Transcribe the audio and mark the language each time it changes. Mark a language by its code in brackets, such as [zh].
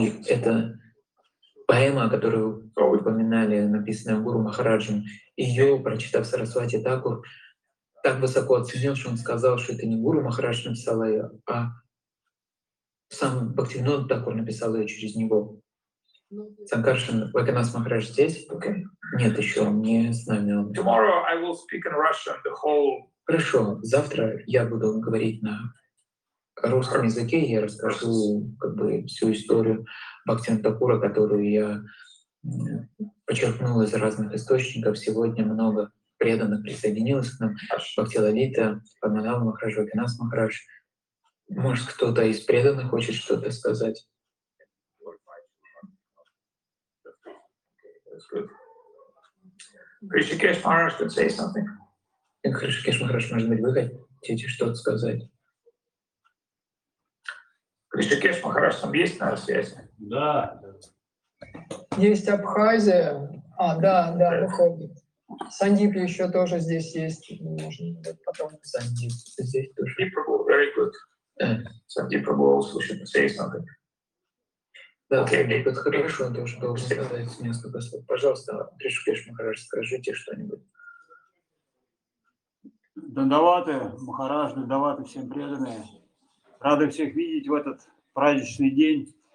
[ru] И это поэма, которую вы упоминали, написанная Гуру Махараджем, ее прочитав Сарасвати Тхакур, так высоко оценил, что он сказал, что это не Гуру Махарадж написал ее, а сам Бхактивинода Тхакур написал ее через него. Санкаршан Вайканас Махарадж здесь? [en] Okay. [ru] Нет, еще не с нами он. [en] Tomorrow I will speak in Russian the whole... [ru] Хорошо, завтра я буду говорить на русском языке, я расскажу как бы всю историю Бхактивинода Тхакура, которую я подчеркнул из разных источников. Сегодня много преданных присоединилось к нам. Бхактилалита, Падманава Махарадж, Вайканас Махарадж. Может, кто-то из преданных хочет что-то сказать? [en] Хришикеш Махарадж could say something. [ru] Хришикеш Махарадж, может быть, вы хотите что-то сказать? Хришикеш Махарадж, там есть на связи? Да. Есть Абхазия. А, да, да, выходит. Сандип еще тоже здесь есть. Можно потом Сандип здесь тоже. [en] Сандип Прабху, very good. Сандип Прабху also should say something. [ru] Да, Сандип, это хорошо, он тоже должен сказать несколько слов. Пожалуйста, Хришикеш Махарадж, скажите что-нибудь. Дандаваты, Махарадж, дандаваты, всем преданные. Рады всех видеть в этот праздничный день.